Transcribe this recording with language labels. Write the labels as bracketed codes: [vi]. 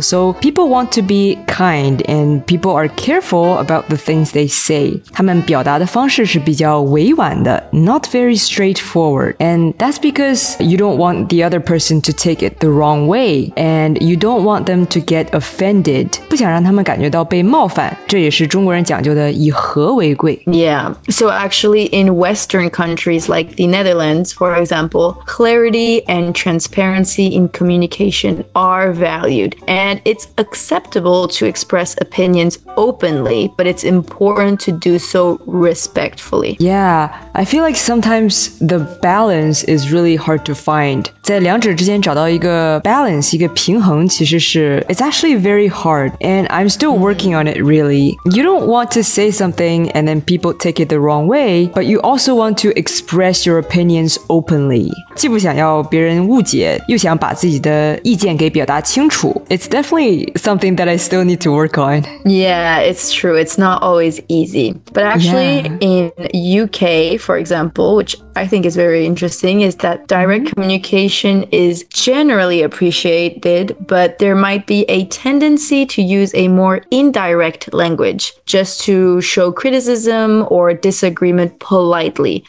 [en] So people want to be kind and people are careful about the things they say. [zh] 他们表达的方式是比较委婉的, [en] not very straightforward. And that's because you don't want the other person to take it the wrong way and you don't want them to get offended. [zh] 不想让他们感觉到被冒犯。这也是中国人讲究的以和为贵。 [en] Yeah, so actually in Western countries like the Netherlands, for example, clarity and transparency in communication are valued. And it's acceptable to express opinions openly, but it's important to do so respectfully. Yeah, I feel like sometimes the balance is really hard to find. [zh] 在两者之间找到一个 balance, 一个平衡其实是 [en] it's actually very hard. And I'm still working on it, really. You don't want to say something and then people take it the wrong way, but you also want to express your opinions openly. [zh] 既不想要别人误解,又想把自己的意见给表达清楚。 [en] It's definitely something that I still need to work on. Yeah, it's true. It's not always easy. But actually, in UK, for example, which I think is very interesting, is that direct communication is generally appreciated, but there might be a tendency to use a more indirect language just to show criticism or disagreement politely.